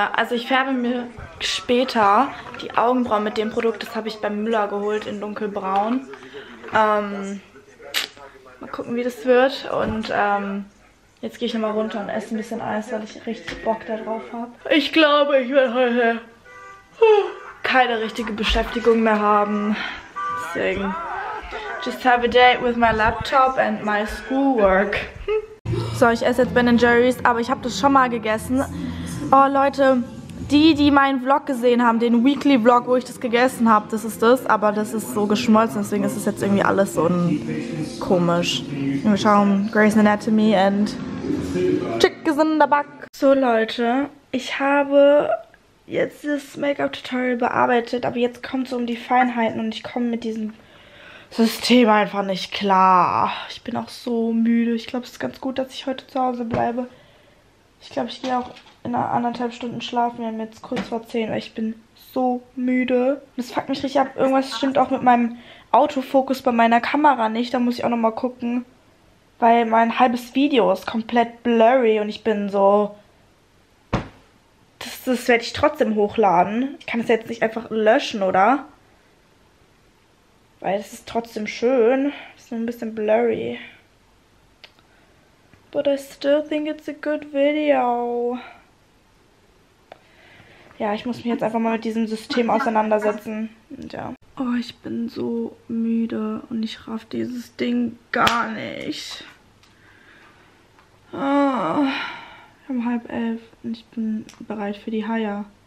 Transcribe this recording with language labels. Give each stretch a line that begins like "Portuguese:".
German: Ich färbe mir später die Augenbrauen mit dem Produkt, das habe ich beim Müller geholt in dunkelbraun. Mal gucken, wie das wird. Und jetzt gehe ich nochmal runter und esse ein bisschen Eis, weil ich richtig Bock darauf habe. Ich glaube, ich werde heute keine richtige Beschäftigung mehr haben. Deswegen.
English: Just have a date with my laptop and my schoolwork.
German: So, ich esse jetzt Ben & Jerry's, aber ich habe das schon mal gegessen. Oh, Leute, die meinen Vlog gesehen haben, den Weekly Vlog, wo ich das gegessen habe, das ist das. Aber das ist so geschmolzen, deswegen ist es jetzt irgendwie alles so komisch. Wir schauen Grey's Anatomy and Chickens in the Back. So, Leute, ich habe jetzt das Make-up-Tutorial bearbeitet, aber jetzt kommt es um die Feinheiten und ich komme mit diesem System einfach nicht klar. Ich bin auch so müde. Ich glaube, es ist ganz gut, dass ich heute zu Hause bleibe. Ich glaube, ich gehe auch in 1,5 Stunden schlafen. Wir haben jetzt kurz vor 10, weil ich bin so müde. Das fuckt mich richtig ab. Irgendwas stimmt auch mit meinem Autofokus bei meiner Kamera nicht. Da muss ich auch nochmal gucken. Weil mein halbes Video ist komplett
English: blurry
German: und ich bin so. Das werde ich trotzdem hochladen. Ich kann es jetzt nicht einfach löschen, oder? Weil es ist trotzdem schön. Ist nur ein bisschen blurry.
English: But I still think it's a good video.
German: Ja, ich muss mich jetzt einfach mal mit diesem System auseinandersetzen. Und ja. Oh, ich bin so müde. Und ich raff dieses Ding gar nicht. Oh, um 10:30 und ich bin bereit für die Haie.